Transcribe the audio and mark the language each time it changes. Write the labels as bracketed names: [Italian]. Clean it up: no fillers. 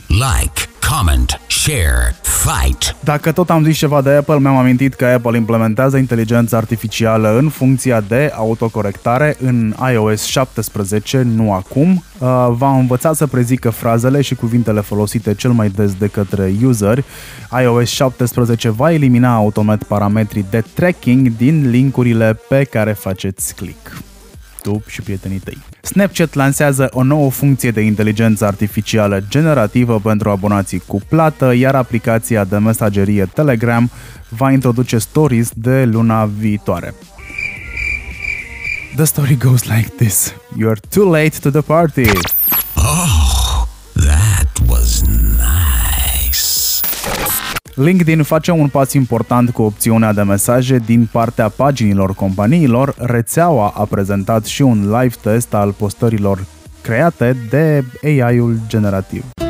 [English] Like, comment, share, fight. [Romanian] Dacă tot am zis ceva de Apple, mi-am amintit că Apple implementează inteligența artificială în funcția de autocorectare în iOS 17, nu acum. Va învăța să prezică frazele și cuvintele folosite cel mai des de către useri. iOS 17 va elimina automat parametrii de tracking din linkurile pe care faceți click. Tu și prietenii tăi. Snapchat lansează o nouă funcție de inteligență artificială generativă pentru abonații cu plată, iar aplicația de mesagerie Telegram va introduce stories de luna viitoare. [English] The story goes like this. You're too late to the party. Oh, that was nice. [Romanian] LinkedIn face un pas important cu opțiunea de mesaje din partea paginilor companiilor. Rețeaua a prezentat și un [English] live test [Romanian] al postărilor create de AI-ul generativ.